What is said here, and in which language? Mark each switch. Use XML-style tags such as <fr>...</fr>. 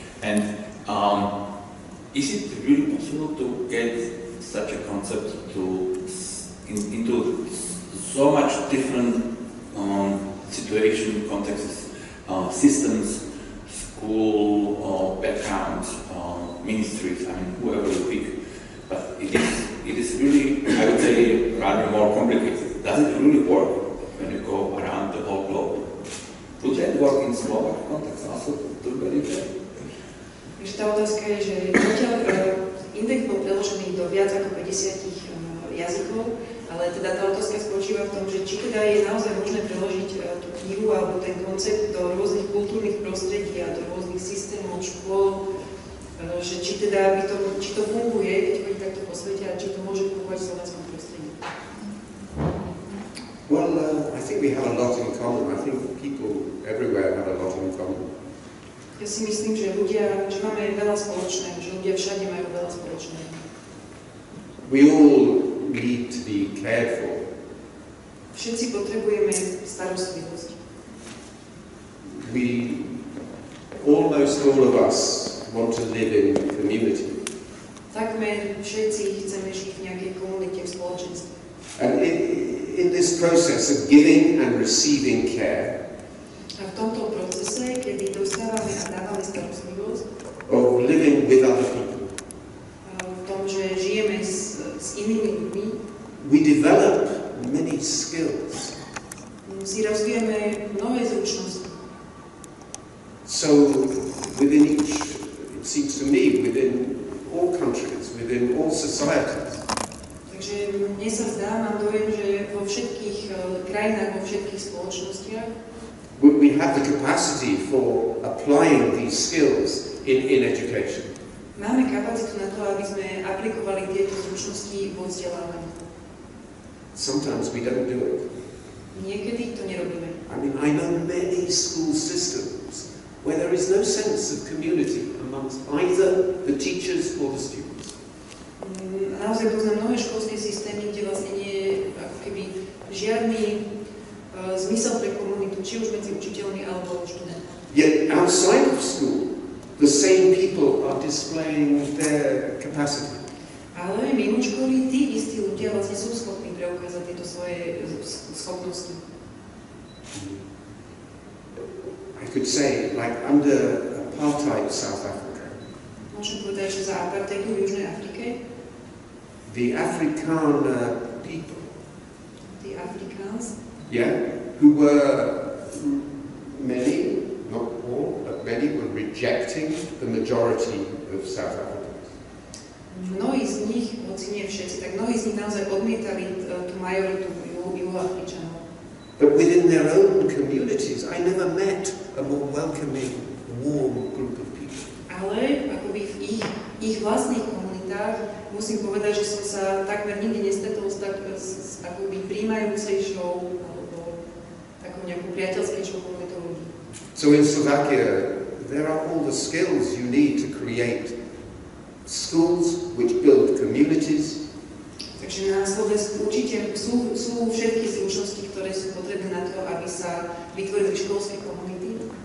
<en>And is it really possible to get such a concept to into so much different situation, contexts, systems, school, backgrounds, ministries, I mean, whoever you pick. But it is really, I would say, rather more complicated. Does it really work when you go around the whole globe? Would that work in smaller context also to very well?</en> <sk>Takže tá otázka je, že zatiaľ index bol preložený do viac ako 50 jazykov, ale teda tá otázka spočíva v tom, že či teda je naozaj možné preložiť tú knihu alebo ten koncept do rôznych kultúrnych prostredí a do rôznych systémov, škôl, že či teda by to, či to funguje, keď chodí takto po svete a či to môže fungovať v slovenskom prostredí.</sk> <en>Well, I think we have a lot in common. I think people everywhere have a lot in common.</en> <sk>Ja si myslím, že ľudia, že máme veľa spoločného, že ľudia všade majú veľa spoločného.</sk> <en>We all need to be cared for.</en> <sk>Všetci potrebujeme starostlivosť.</sk> <en>We, almost all of us, want to live in community.</en> <sk>Takmer všetci chceme žiť v nejakej komunite, v spoločenstve.</sk> <en>In this process of giving and receiving care,</en> <sk>a v tomto procese, kedy dostávame a dávame starostlivosť,</sk> <en>of living with other people,</en> <sk>v tom, že žijeme s inými ľuďmi,</sk> <en>we develop many skills.</en> <sk>Si rozvíjame nové zručnosti.</sk> <en>So within each, it seems to me, within all countries, within all societies,</en> <sk>takže mne sa zdá, mám dojem, že vo všetkých krajinách, vo všetkých spoločnostiach</sk> <en>we have the capacity for applying these skills in education.</en> <sk>Máme kapacitu na to, aby sme aplikovali tieto zručnosti vo vzdelávaní.</sk> <en>Sometimes we don't do it.</en> <sk>Niekedy to nerobíme.</sk> <en>I mean, I know many school systems where there is no sense of community amongst either the teachers or the students.</en> <sk>Naozaj poznám mnohé školské systémy, kde vlastne nie je ako keby žiadny zmysel pre komunitu, či už medzi učiteľmi alebo študentmi.</sk> <en>Yet outside of school, the same people are displaying their capacity.</en> <sk>Ale mimo školy, tí istí ľudia vlastne sú schopní preukázať tieto svoje schopnosti.</sk> <en>I could say, like under apartheid South Africa.</en> <sk>Môžem povedať, že za apartheidu v Južnej Afrike</sk> <en>the Afrikaner people, the Afrikaans. Yeah, who were many, not all, but many were rejecting the majority of South Africans.</en> <sk>Mnohí z nich, hoci nie všetci, tak mnohí z nich naozaj odmietali tú majoritu Juhoafričanov.</sk> <en>But within their own communities, I never met a more welcoming, warm group of people.</en> <sk>Ale akoby v ich vlastných komunitách musím povedať, že som sa takmer nikdy nestretol s akoby prijímajúcejšou alebo takou nejakou priateľskejšou komunitou ľudí.</sk> <en>So in Slovakia, there are all the skills you need to create schools which build communities.</en> <sk>Takže na Slovensku určite sú všetky zručnosti, ktoré sú potrebné na to, aby sa vytvorili školské komunity.</sk>